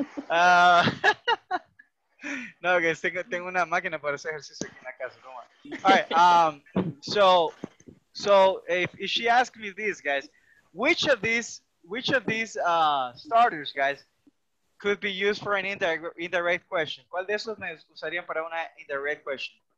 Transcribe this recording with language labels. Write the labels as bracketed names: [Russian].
[Spanish] No, guys, tengo una máquina para hacer ejercicio aquí en la casa. [English] All right, so if she asks me this, guys, which of these starters, guys, could be used for an indirect question? [Spanish] ¿Cuál de esos me usarían para una [English] indirect question?